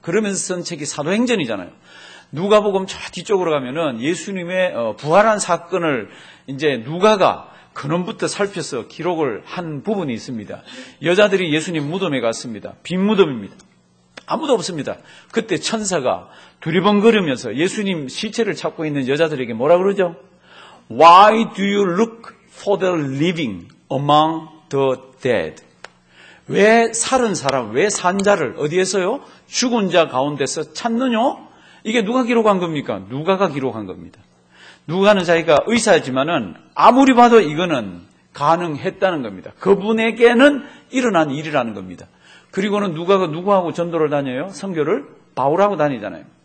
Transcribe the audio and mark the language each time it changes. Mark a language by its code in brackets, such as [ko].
[ko] 그러면서 쓴 책이 사도행전이잖아요. 누가복음 저 뒤쪽으로 가면은 예수님의 부활한 사건을 이제 누가가 근원부터 살펴서 기록을 한 부분이 있습니다. 여자들이 예수님 무덤에 갔습니다. 빈 무덤입니다. 아무도 없습니다. 그때 천사가 두리번거리면서 예수님 시체를 찾고 있는 여자들에게 뭐라 그러죠? [en] Why do you look for the living among the dead? [ko] 왜 살은 사람, 왜 산 자를 어디에서요? 죽은 자 가운데서 찾느뇨? 이게 누가 기록한 겁니까? 누가가 기록한 겁니다. 누가는 자기가 의사지만은 아무리 봐도 이거는 가능했다는 겁니다. 그분에게는 일어난 일이라는 겁니다. 그리고는 누가가 누구하고 전도를 다녀요? 선교를? 바울하고 다니잖아요.